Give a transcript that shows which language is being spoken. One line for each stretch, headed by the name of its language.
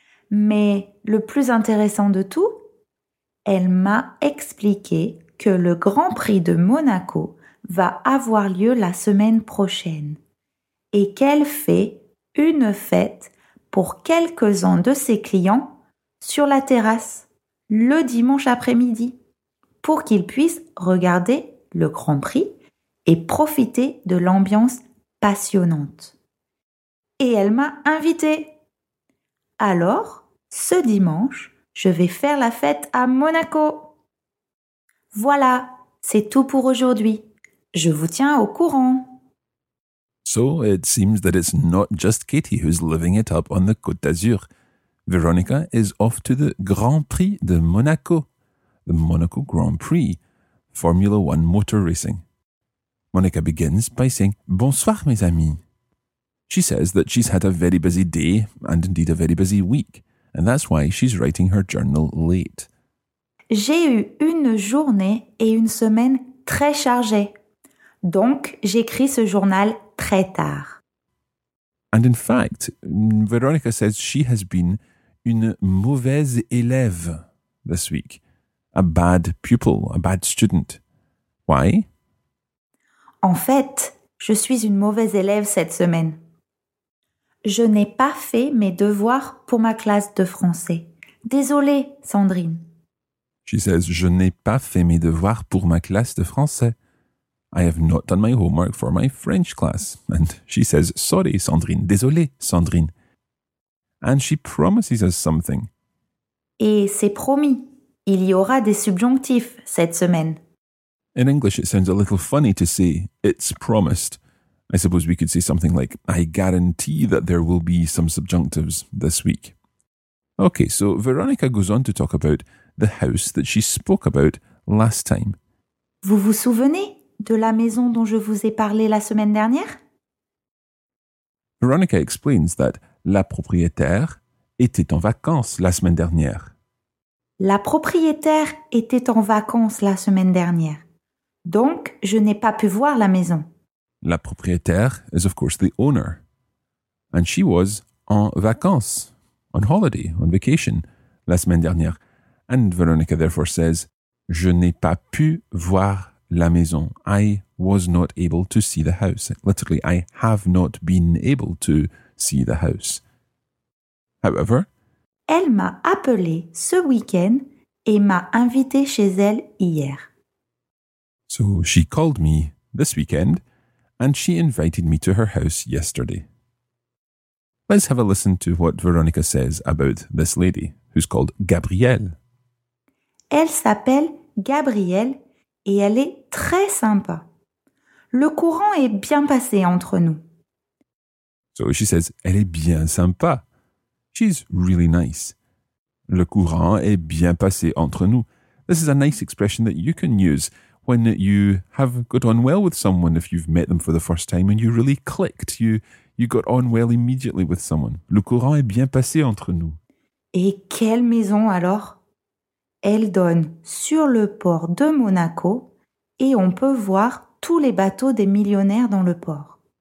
French: Mais le plus intéressant de tout, elle m'a expliqué que le Grand Prix de Monaco va avoir lieu la semaine prochaine et qu'elle fait une fête pour quelques-uns de ses clients sur la terrasse le dimanche après-midi pour qu'ils puissent regarder le Grand Prix et profiter de l'ambiance passionnante. Et elle m'a invitée. Alors, ce dimanche, je vais faire la fête à Monaco. Voilà, c'est tout pour aujourd'hui. Je vous tiens au courant.
English: So, it seems that it's not just Katie who's living it up on the Côte d'Azur. Veronica is off to the Grand Prix de Monaco. The Monaco Grand Prix, Formula One motor racing. Monica begins by saying, "Bonsoir, mes amis." She says that she's had a very busy day, and indeed a very busy week, and that's why she's writing her journal late.
French: J'ai eu une journée et une semaine très chargées. Donc, j'écris ce journal très tard.
English: And in fact, Veronica says she has been une mauvaise élève this week. A bad pupil, a bad student. Why?
French: En fait, je suis une mauvaise élève cette semaine. Je n'ai pas fait mes devoirs pour ma classe de français. Désolée, Sandrine. She says, je n'ai pas fait mes devoirs pour ma classe de français.
English: I have not done my homework for my French class. And she says, sorry, Sandrine. Désolée, Sandrine. And she promises us something.
French: Et c'est promis. Il y aura des subjonctifs cette semaine.
English: In English, it sounds a little funny to say, it's promised. I suppose we could say something like, I guarantee that there will be some subjunctives this week. Okay, so Veronica goes on to talk about the house that she spoke about last time.
French: Vous vous souvenez de la maison dont je vous ai parlé la semaine dernière? Veronica explains that la propriétaire était en vacances la semaine dernière. La propriétaire était en vacances la semaine dernière. Donc, je n'ai pas pu voir la maison.
English: La propriétaire is of course the owner. And she was en vacances, on holiday, on vacation, la semaine dernière.
French: And Veronica therefore says, je n'ai pas pu voir la maison.
English: I was not able to see the house. Literally, I have not been able to see the house. However,
French: elle m'a appelé ce week-end et m'a invité chez elle hier.
English: So she called me this weekend and she invited me to her house yesterday. Let's have a listen to what Veronica says about this lady, who's called Gabrielle.
French: Elle s'appelle Gabrielle et elle est très sympa. Le courant est bien passé entre nous.
English: So she says, elle est bien sympa. She's really nice.
French: Le courant est bien passé entre nous.
English: This is a nice expression that you can use when you have got on well with someone, if you've met them for the first time and you really clicked, you got on well immediately with someone.
French: Le courant est bien passé entre nous. Et quelle maison alors? Elle donne sur le port de Monaco et on peut voir tous les bateaux des millionnaires dans le port.